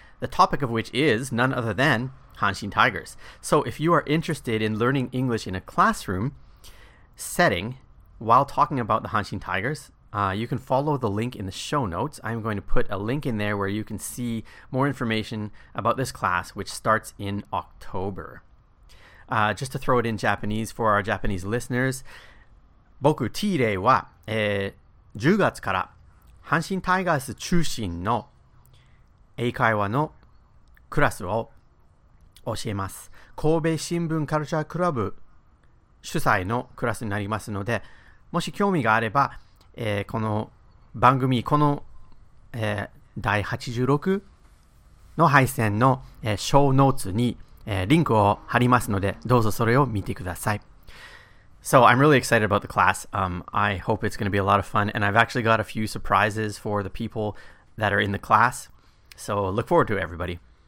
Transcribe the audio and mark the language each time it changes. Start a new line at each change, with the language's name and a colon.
English: the topic of which is none other than Hanshin Tigers. So if you are interested in learning English in a classroom setting while talking about the Hanshin Tigers, you can follow the link in the show notes. I'm going to put a link in there where you can see more information about this class, which starts in October. Just to throw it in Japanese for our Japanese listeners,
Japanese: 僕 T Day は10月から阪神タイガース中心の英会話のクラスを教えます。神戸新聞カルチャークラブ主催のクラスになりますので、もし興味があれば、この番組、この、第86の配線の、ショーノーツに、リンクを貼りますので、どうぞそれを見てください。
English: So I'm really excited about the class. I hope it's going to be a lot of fun, and I've actually got a few surprises for the people that are in the class. So look forward to it, everybody.